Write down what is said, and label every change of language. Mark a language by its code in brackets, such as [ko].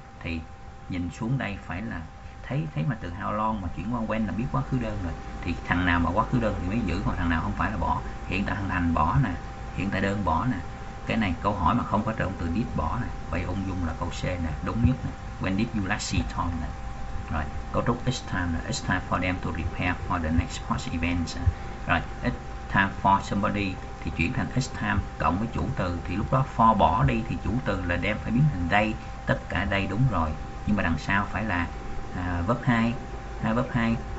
[vi] Thì nhìn xuống đây phải là thấy mà từ how long mà chuyển qua when là biết quá khứ đơn rồi. Thì thằng nào mà quá khứ đơn thì mới giữ, còn thằng nào không phải là bỏ. Hiện tại thằng thành bỏ nè, hiện tại đơn bỏ nè. Cái này câu hỏi mà không có trong từ did bỏ nè, vậy ung dung là câu C nè, đúng nhất nè. [en] When did you last see Tom nè. [vi] Rồi, cấu trúc [en] it's time là it's time for them to prepare for the next post events. [vi] Rồi, [en] it's time for somebody [vi] thì chuyển thành it's time cộng với chủ từ, thì lúc đó for bỏ đi thì chủ từ là đem phải biến thành they, tất cả they đúng rồi. Nhưng mà đằng sau phải là verb 2, verb 2.